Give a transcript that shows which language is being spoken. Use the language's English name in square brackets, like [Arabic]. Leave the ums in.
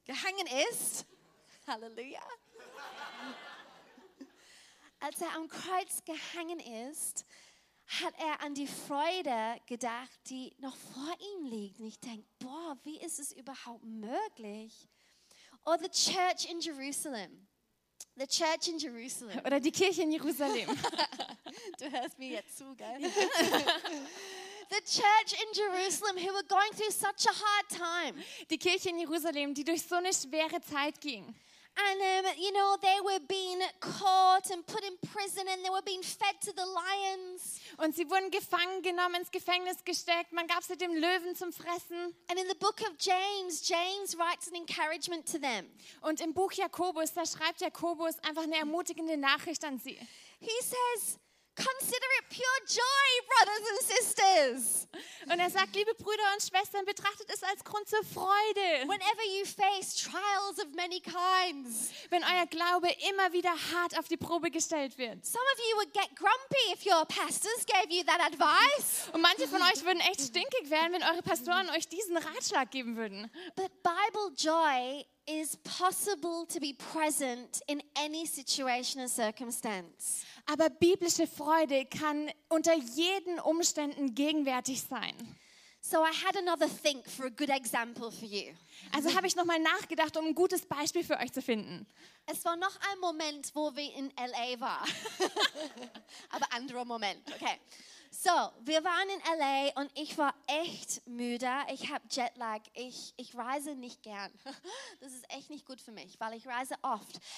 [German] gehangen ist, Halleluja, als er am Kreuz gehangen ist, hat er an die Freude gedacht, die noch vor ihm liegt. Und ich denke, boah, wie ist es überhaupt möglich? [English] Or the church in Jerusalem. The church in Jerusalem. [German] Oder die Kirche in Jerusalem. Du hörst mir jetzt zu, gell? [English] the church in Jerusalem who were going through such a hard time. [German] Die Kirche in Jerusalem, die durch so eine schwere Zeit ging. [English] And, um, you know, they were being caught and put in prison and they were being fed to the lions. [German] Und sie wurden gefangen genommen, ins Gefängnis gesteckt. Man gab sie dem Löwen zum Fressen. [English] And in the book of James, James writes an encouragement to them. [German] Und im Buch Jakobus, da schreibt Jakobus einfach eine ermutigende Nachricht an sie. [English] He says, Consider it pure joy, brothers and sisters, [German] Und er sagt, liebe Brüder und Schwestern, betrachtet es als Grund zur Freude, [English] whenever you face trials of many kinds. [German] wenn euer Glaube immer wieder hart auf die Probe gestellt wird. [English] Some of you would get grumpy if your pastors gave you that advice, [German] Und manche von euch würden echt stinkig werden, wenn eure Pastoren euch diesen Ratschlag geben würden. [English] but Bible joy is possible to be present in any situation and circumstance. [German] Aber biblische Freude kann unter jeden Umständen gegenwärtig sein. [English] So I had another think for a good example for you. [German] Also habe ich nochmal nachgedacht, um ein gutes Beispiel für euch zu finden. Es war noch ein Moment, wo wir in LA waren. Aber anderer Moment, okay. So, wir waren in LA und ich war echt müde. Ich habe Jetlag. Ich, ich reise nicht gern. Das ist echt nicht gut für mich, weil ich reise oft.